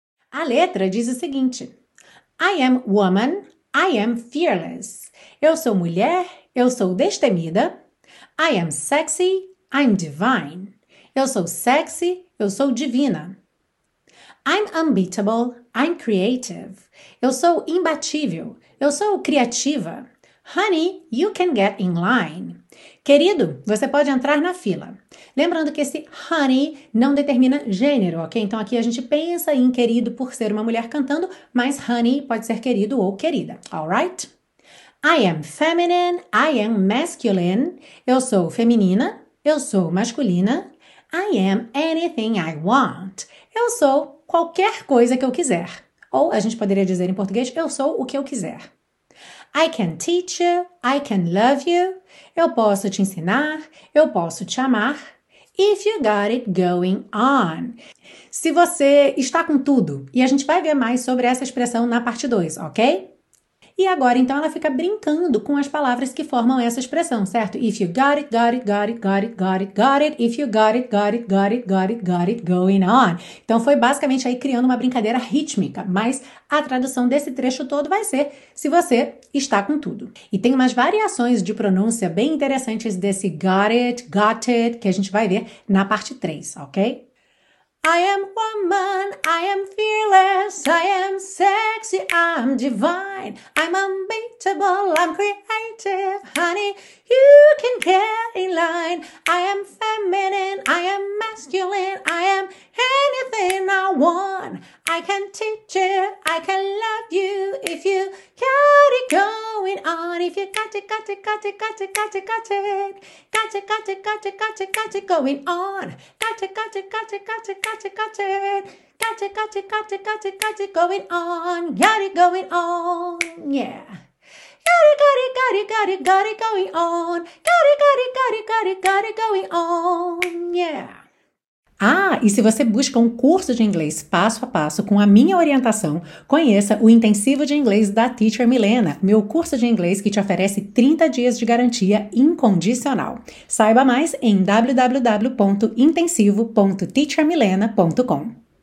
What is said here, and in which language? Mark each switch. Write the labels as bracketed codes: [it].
[pt] A letra diz o seguinte: [en] I am woman, I am fearless. [pt] Eu sou mulher, eu sou destemida. [en] I am sexy, I'm divine. [pt] Eu sou sexy, eu sou divina. [en] I'm unbeatable, I'm creative. [pt] Eu sou imbatível, eu sou criativa. [en] Honey, you can get in line. [pt] Querido, você pode entrar na fila. Lembrando que esse honey não determina gênero, ok? Então aqui a gente pensa em querido por ser uma mulher cantando, mas honey pode ser querido ou querida, alright? [en] I am feminine, I am masculine. [pt] Eu sou feminina, eu sou masculina. [en] I am anything I want. [pt] Eu sou qualquer coisa que eu quiser. Ou a gente poderia dizer em português, eu sou o que eu quiser. [en] I can teach you, I can love you. [pt] Eu posso te ensinar, eu posso te amar. [en] If you got it going on. [pt] Se você está com tudo, e a gente vai ver mais sobre essa expressão na parte 2, ok? E agora, então, ela fica brincando com as palavras que formam essa expressão, certo? [en] If you got it, got it, got it, got it, got it, got it. If you got it, got it, got it, got it, got it going on. [pt] Então, foi basicamente aí criando uma brincadeira rítmica. Mas a tradução desse trecho todo vai ser se você está com tudo. E tem umas variações de pronúncia bem interessantes desse got it, que a gente vai ver na parte 3, ok? [en] I am woman, I am fearless, I am sexy, I'm divine, I'm unbeatable, I'm creative, honey, you can get in line. I am feminine, I am masculine, I am anything I want. I can teach you, I can love you, if you got it going on. If you got it, got it, got it, got it, got it, got it, got it, got it, got it, got it, got it going on. Got it, got it, got it, got it, got it, got it, got it, got it, got it, got it, got it going on. Got it going on, yeah. Got it, got it, got it, got it, got it going on. Got it, got it, got it, got it, got it going on, yeah. [pt] Ah, e se você busca um curso de inglês passo a passo com a minha orientação, conheça o Intensivo de Inglês da Teacher Milena, meu curso de inglês que te oferece 30 dias de garantia incondicional. Saiba mais em www.intensivo.teachermilena.com.